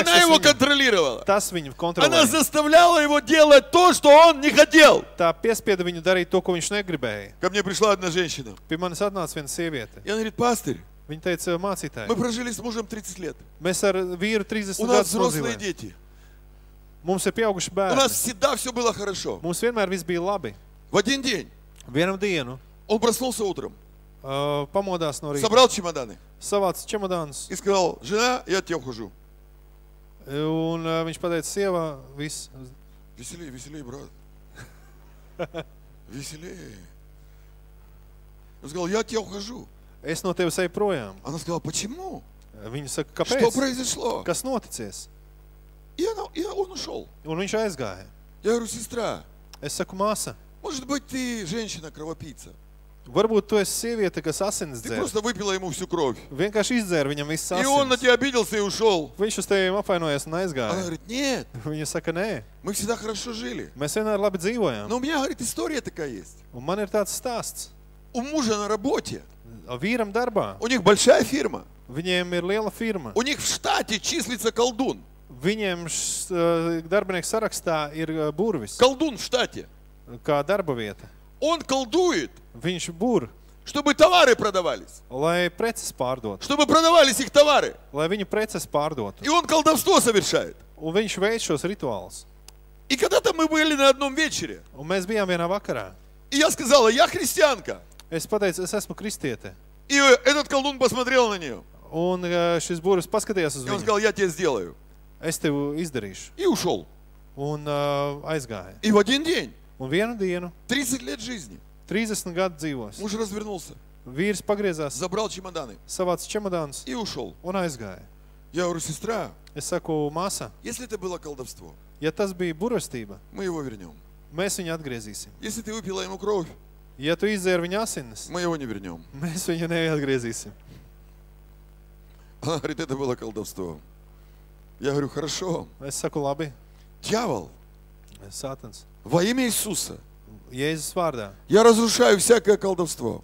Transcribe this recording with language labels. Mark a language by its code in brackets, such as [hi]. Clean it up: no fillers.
[ru] Она его контролировала. [lv] Tas viņu kontrolēja. [ru] Она заставляла его делать то, что он не хотел. [lv] Tā piespieda viņu darīt to, ko viņš negribēja. [ru] Ко мне пришла одна женщина. [lv] Pie manis atnāca viena sieviete. [ru] И она говорит: "Пастырь." [lv] Viņa teica: "Mācītāji." [ru] Мы прожили с мужем 30 лет. [lv] Mēs ar vīru 30 gadus dzīvojām. [ru] У нас взрослые дети. [lv] Mums ir pieauguši bērni. [ru] У нас всегда всё было хорошо. [lv] Mums vienmēr viss bija labi. [ru] В один день. [lv] Vienu dienu. [ru] Он проснулся утром. [lv] Pamodās no rīta. [ru] Собрал чемоданы. [lv] Savāc čemodānus. [ru] И сказал: "Жена, я тебя ухожу." [lv] Un viņš pateica: "Sieva, viss." [ru] Веселей, веселей, брат. Веселей. Он сказал: "Я тебя ухожу." [lv] Es no tevis eju projām. [ru] Она сказала: "Почему?" [lv] Viņa saka: "Kāpēc?" [ru] Что произошло? [lv] Kas noticies? [ru] Я он ушёл. Он ещё изгая. Я говорю: "Сестра." [lv] Es saku: "Māsa." [ru] Может быть, ты женщина кровопийца. [lv] Varbūt tu esi sieviete, kas asins dzēr. [ru] Ты просто выпила ему всю кровь. [lv] Vienkārši izdzēra viņam visu asins. [ru] И он на тебя обиделся и ушёл. [lv] Viņš uz tevi apvainojās un aizgāja. [ru] Она говорит: "Нет." [lv] Viņa saka: "Nē." [ru] Мы всегда хорошо жили. [lv] Mēs vienmēr labi dzīvojām. [ru] Но у меня, говорит, история такая есть. [lv] Un man ir tāds stāsts. [ru] У мужа на работе. [lv] А вирам дарба. [ru] У них большая фирма. [lv] Viņiem ir liela firma. [ru] У них в штате числится колдун. [lv] Viņiem darbinieku sarakstā ir burvis. Kaldun štate. Kā darba vieta. [ru] Он колдует. [lv] Viņš bur. [ru] Чтобы товары продавались. [lv] Lai preces pārdotu. [ru] Чтобы продавались их товары. [lv] Lai viņu preces pārdotu. [ru] И он колдовство совершает. [lv] Un viņš veic šos rituālus. [ru] И когда-то мы были на одном вечере. [lv] Un mēs bijām vienā vakarā. [ru] И я сказала: "Я христианка." [lv] Es pateicu: "Es esmu kristiete." [ru] И этот колдун посмотрел на неё. [lv] Un šis burvis paskatījās uz [ru] viņu. Он сказал: "Я тебе сделаю." [lv] Es tevi izdarīšu. [ru] И ушёл. [lv] Un aizgāja. [ru] И в один день. [lv] Un vienu dienu. [ru] 30 лет жизни. [lv] 30 gadu dzīvos. [ru] Муж развернулся. [lv] Vīrs pagriezās. [ru] Забрал чемоданы. [lv] Savāc čemodānus. [ru] И ушёл. [lv] Un aizgāja. [ru] Я говорю: "Сестра." [lv] Es saku: "Māsa." [ru] Если это было колдовство. [lv] Ja tas bija burvestība. [ru] Мы его вернём. [lv] Mēs viņu atgriezīsim. [ru] Если ты выпила ему кровь. [lv] Ja tu izdzēri viņa asinis. [ru] Мы его не вернём. [lv] Mēs viņu neatgriezīsim. [ru] Она говорит: "Это было колдовство." Я говорю: "Хорошо." [lv] Es saku: "Labi." [ru] Дьявол. [lv] Сатанс. [ru] Во имя Иисуса. [lv] Jēzus vārdā. [ru] Я разрушаю всякое колдовство.